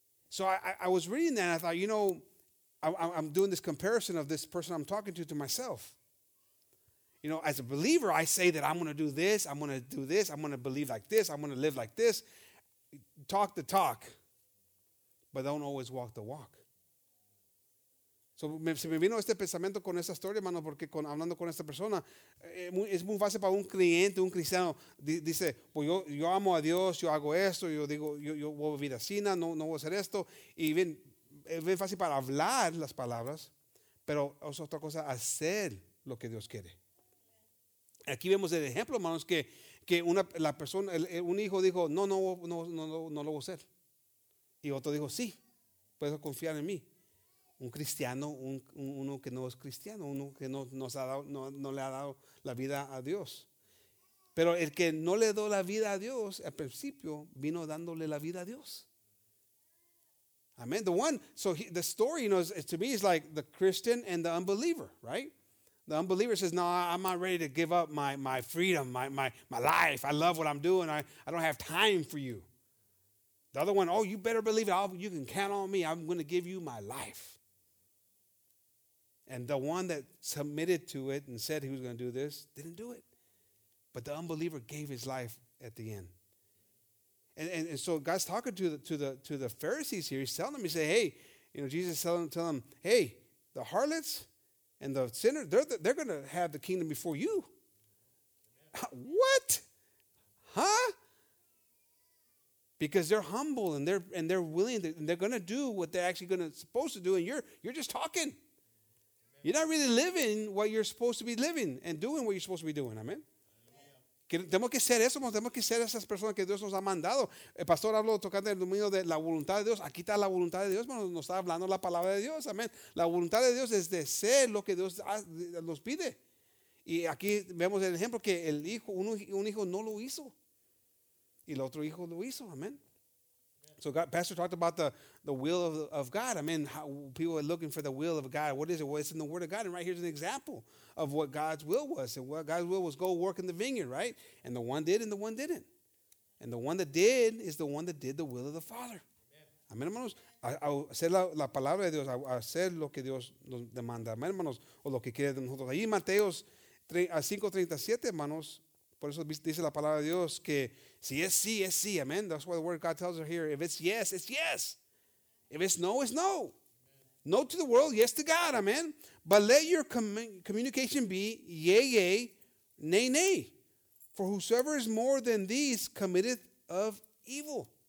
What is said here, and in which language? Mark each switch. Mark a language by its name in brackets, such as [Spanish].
[English] So I was reading that, and I thought, you know, I'm doing this comparison of this person I'm talking to myself. You know, as a believer, I say that I'm going to do this, I'm going to do this, I'm going to believe like this, I'm going to live like this. Talk the talk, but don't always walk the walk. [Spanish] So, se me vino este pensamiento con esta historia, hermano, porque hablando con esta persona, es muy fácil para un cliente, un cristiano, dice, pues yo amo a Dios, yo hago esto, yo digo, yo voy a vivir así, no voy a hacer esto, y ven. Es fácil para hablar las palabras, pero es otra cosa hacer lo que Dios quiere. Aquí vemos el ejemplo, hermanos, que una la persona un hijo dijo, no lo voy a hacer. Y otro dijo, sí, puedes confiar en mí. Un cristiano, uno que no es cristiano, uno que no le ha dado la vida a Dios. Pero el que no le dio la vida a Dios, al principio vino dándole la vida a Dios. Amen. [English] The story, you know, to me is like the Christian and the unbeliever, right? The unbeliever says, no, I'm not ready to give up my freedom, my life. I love what I'm doing. I don't have time for you. The other one, oh, you better believe it. You can count on me. I'm going to give you my life. And the one that submitted to it and said he was going to do this didn't do it. But the unbeliever gave his life at the end. And so God's talking to the Pharisees here. He's telling them, he said, hey, you know, Jesus is telling them, hey, the harlots and the sinners, they're going to have the kingdom before you. What? Huh? Because they're humble and they're willing to, and they're going to do what they're actually going to supposed to do. And you're just talking. Amen. You're not really living what you're supposed to be living and doing what you're supposed to be doing. [Spanish] Amen. Tenemos que ser eso, tenemos que ser esas personas que Dios nos ha mandado. El pastor habló tocando el dominio de la voluntad de Dios. Aquí está la voluntad de Dios, hermano. Nos está hablando la palabra de Dios. Amén. La voluntad de Dios es de ser lo que Dios nos pide. Y aquí vemos el ejemplo que el hijo, un hijo no lo hizo. Y el otro hijo lo hizo. Amén. [English] So God, Pastor talked about the will of God. I mean, how people are looking for the will of God. What is it? Well, it's in the Word of God. And right here's an example of what God's will was. And what God's will was, go work in the vineyard, right? And the one did and the one didn't. And the one that did is the one that did the will of the Father. [Spanish] Amen, hermanos. Hacer la palabra de Dios. Hacer lo que Dios nos demanda. Amen, hermanos. O lo que quiere de nosotros. Ahí Mateos 5:37, hermanos. Por eso dice la palabra de Dios que si es sí, es sí. Amen. [English] That's why the word of God tells her here. If it's yes, it's yes. If it's no, it's no. Amen. No to the world, yes to God. Amen. But let your communication be yea, yea, nay, nay. For whosoever is more than these committeth of evil.